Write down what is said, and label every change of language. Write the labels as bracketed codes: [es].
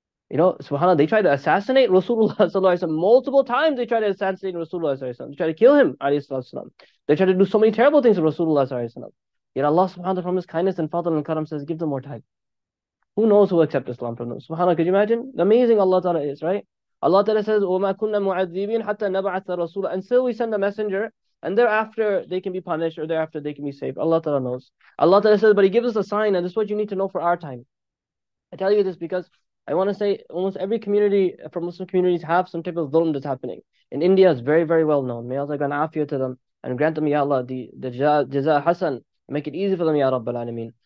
[en] You know, SubhanAllah, they tried to assassinate Rasulullah Sallallahu Alaihi Wasallam multiple times. They tried to assassinate Rasulullah Sallallahu Alaihi Wasallam. They tried to kill him, Alayhi Wasallam. They tried to do so many terrible things to Rasulullah Sallallahu Alaihi Wasallam. Yet Allah Subhanahu wa Ta'ala, from His kindness and fadl and karam, says, give them more time. Who knows who will accept Islam from them? SubhanAllah, could you imagine? Amazing Allah Ta'ala is, right? Allah Ta'ala says, [ar] وَمَا كُنَّا مُعَذِّبِينَ حَتَّى نَبْعَثَ رَسُولًا. [en] And still we send a messenger. And thereafter, they can be punished, or thereafter, they can be saved. Allah Ta'ala knows. Allah Ta'ala says, but He gives us a sign, and this is what you need to know for our time. I tell you this because I want to say almost every community from Muslim communities have some type of dhulm that's happening. In India, it's very, very well known. May Allah grant afiyah to them and grant them, Ya Allah, the jaza hasan, and make it easy for them, Ya Rabbal Alameen.